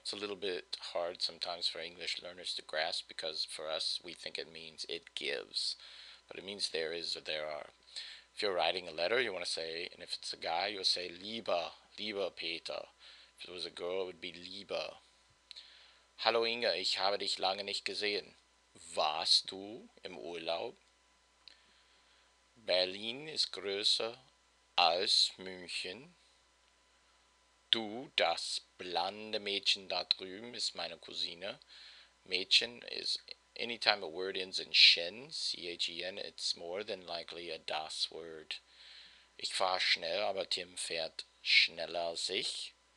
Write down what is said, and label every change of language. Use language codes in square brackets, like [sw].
[en] It's a little bit hard sometimes for English learners to grasp because for us we think it means it gives, but it means there is or there are. If you're writing a letter, you want to say, and if it's a guy, you'll say [de] lieber Peter. [en] If it was a girl, it would be lieber. [de] Hallo Inge, ich habe dich lange nicht gesehen. Warst du im Urlaub? Berlin ist größer als München. Du, das blonde Mädchen da drüben, ist meine Cousine. [en] Mädchen is anytime a word ends in chen, chen, it's more than likely a das word. [de] Ich fahre schnell, aber Tim fährt schneller als ich.